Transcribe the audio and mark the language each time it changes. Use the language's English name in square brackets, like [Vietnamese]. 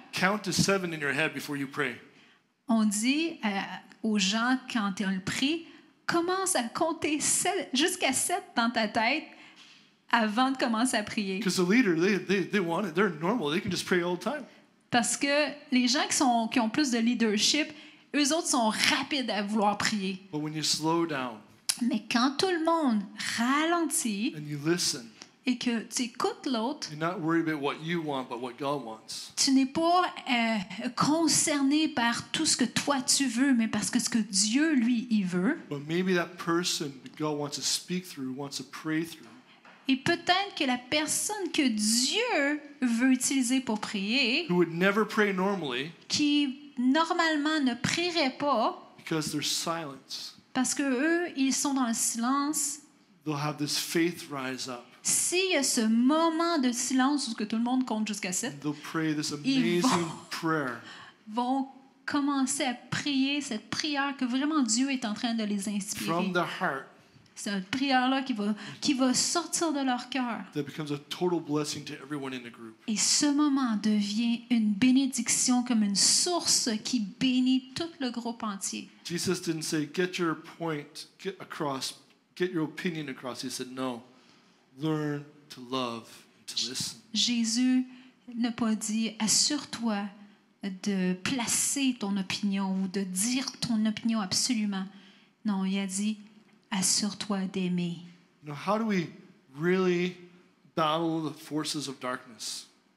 [English] Count to 7 in your head before you pray. [French] On dit aux gens quand ils prient, commence à compter jusqu'à 7 dans ta tête avant de commencer à prier. [English] Because the leader, they want it. They're normal. They can just pray all the time. [French] Parce que les gens qui ont plus de leadership. Eux autres sont rapides à vouloir prier. [English] But when you slow down, [French] mais quand tout le monde ralentit [English] and you listen, [French] et que tu écoutes l'autre, [English] you're not worried about what you want, but what God wants. [French] Tu n'es pas concerné par tout ce que toi tu veux, mais parce que ce que Dieu lui il veut. [English] But maybe that person that God wants to speak through wants to pray through. [French] Et peut-être que la personne que Dieu veut utiliser pour prier, [English] who would never pray normally, [French] qui normalement ne prieraient pas [English] because they're silent. [French] Parce que eux ils sont dans le silence. [English] They'll have this faith rise up. [French] S'il y a ce moment de silence où tout le monde compte jusqu'à 7, [English] they'll pray this amazing [French] ils vont commencer à prier cette prière que vraiment Dieu est en train de les inspirer. [English] From the heart, [French] c'est une prière là qui va sortir de leur cœur. [English] That becomes a total blessing to everyone in the group. [French] Et ce moment devient une bénédiction comme une source qui bénit tout le groupe entier. [English] Jesus didn't say get your point across, get your opinion across. He said no, learn to love and to listen. [French] Jésus n'a pas dit assure-toi de placer ton opinion ou de dire ton opinion absolument. Non, il a dit assure-toi d'aimer. [English] Now, how do we really battle the forces of darkness?